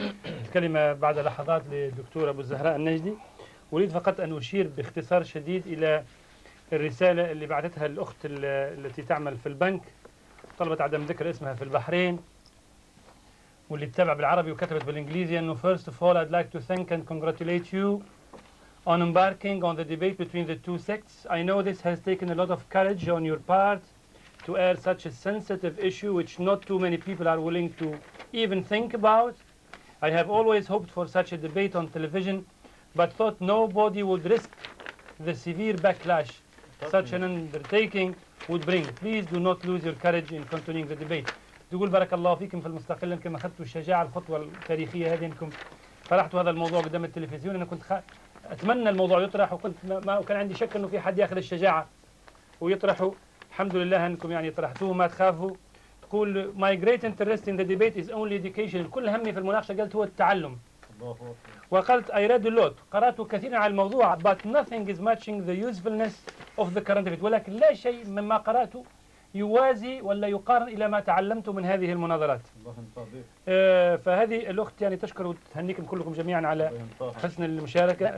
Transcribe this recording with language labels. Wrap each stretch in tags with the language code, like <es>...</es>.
<ar>الكلمة بعد لحظات للدكتور أبو الزهراء النجدي. أريد فقط أن أشير باختصار شديد إلى الرسالة اللي بعثتها الأخت التي تعمل في البنك، طلبت عدم ذكر اسمها، في البحرين، واللي تتابع بالعربي وكتبت بالإنجليزي أنه</ar> <en>First of all I'd like to thank and congratulate you on embarking on the debate between the two sects. I know this has taken a lot of courage on your part to air such a sensitive issue which not too many people are willing to even think about. I have always hoped for such a debate on television, but thought nobody would risk the severe backlash such an undertaking would bring. Please do not lose your courage in continuing the debate.</en> <ar>تقول بارك الله فيكم في المستقل انكم اخذتوا الشجاعة الخطوة التاريخية هذه، انكم طرحتوا هذا الموضوع قدام التلفزيون. انا كنت اتمنى الموضوع يطرح، وكنت ما وكان عندي شك انه في حد ياخذ الشجاعة ويطرحه. الحمد لله انكم يعني طرحتوه، ما تخافوا. تقول</ar> <en>my great interest in the debate is only education،</en> <ar>كل همي في المناقشة قلت هو التعلم. وقلت</ar> <en>I read a lot،</en> <ar>قرأت كثيرا على الموضوع،</ar> <en>but nothing is matching the usefulness of the current debate،</en> <ar>ولكن لا شيء مما قرأته يوازي ولا يقارن إلى ما تعلمت من هذه المناظرات. فهذه الأخت يعني تشكر وتهنيكم كلكم جميعا على حسن المشاركة.</ar>